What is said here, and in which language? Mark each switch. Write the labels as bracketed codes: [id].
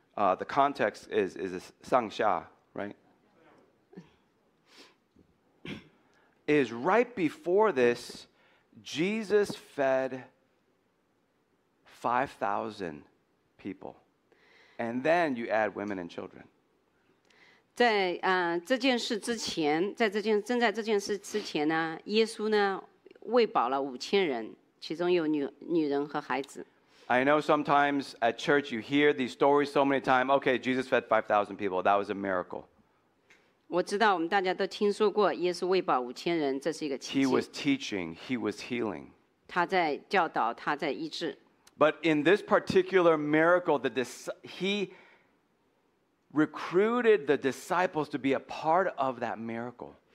[en] The context is [zh] 上下 [en] right? is right before this. Jesus fed 5,000 people. And then you add women and children. [zh] 在这件事之前，正在这件事之前呢，耶稣呢，喂饱了5,000人，其中有女人和孩子。 [en] I know sometimes at church you hear these stories so many times. Okay, Jesus fed 5,000 people. That was a miracle. [zh] 我知道我们大家都听说过耶稣喂饱5,000人，这是一个奇迹。 [en] He was teaching, he was healing. [zh] 他在教导，他在医治。 [en] But in this particular miracle, he recruited the disciples to be a part of that miracle.